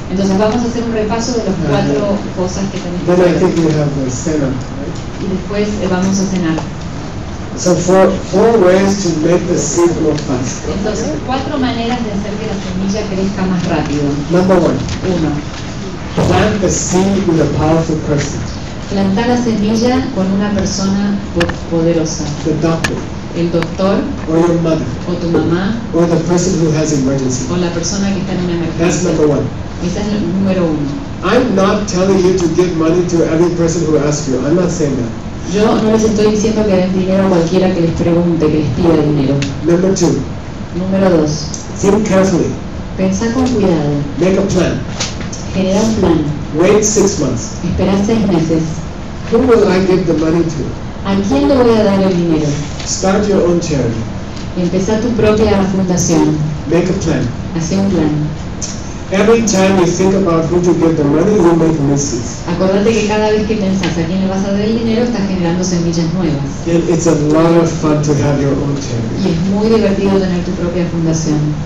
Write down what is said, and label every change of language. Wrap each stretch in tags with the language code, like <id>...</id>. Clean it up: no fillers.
<es>Entonces vamos a hacer un repaso de las cuatro cosas que tenemos.</es> <en>Then I think we have the cena.</en> <es>Y después vamos a cenar.</es> <en>So four ways to make the seed grow fast.</en> <es>Entonces, cuatro maneras de hacer que la semilla crezca más rápido.</es> <en>Number one.</en> <es>Uno.</es> <en>Plant the seed with a powerful person.</en> <es>Plantar la semilla con una persona poderosa.</es> <en>The doctor.</en> <es>El doctor.</es> <en>Or your mother.</en> <es>O tu mamá.</es> <en>Or the person who has emergency.</en> <es>O la persona que está en una emergencia.</es> <en>That's number one.</en> <es>Esa es la número uno.</es> <en>I'm not telling you to give money to every person who asks you. I'm not saying that.</en> <es>Yo no les estoy diciendo que den dinero a cualquiera que les pregunte, que les pida dinero.</es> <en>Number two.</en> <es>Número dos.</es> <en>Think carefully.</en> <es>Pensá con cuidado.</es> <en>Make a plan.</en> <es>Genera un plan.</es> <en>Wait 6 months.</en> <es>Espera 6 meses.</es> <en>Who will I give the money to?</en> <es>¿A quién le voy a dar el dinero?</es> <en>Start your own charity.</en> <es>Empezá tu propia fundación.</es> <en>Make a plan.</en> <es>Hacé un plan.</es> <en>Every time you think about who to give the money, you make misses.</en> <es>Acordate que cada vez que pensás a quién le vas a dar el dinero, estás generando semillas nuevas.</es> <en>And it's a lot of fun to have your own charity.</en> <es>Y es muy divertido tener tu propia fundación.</es>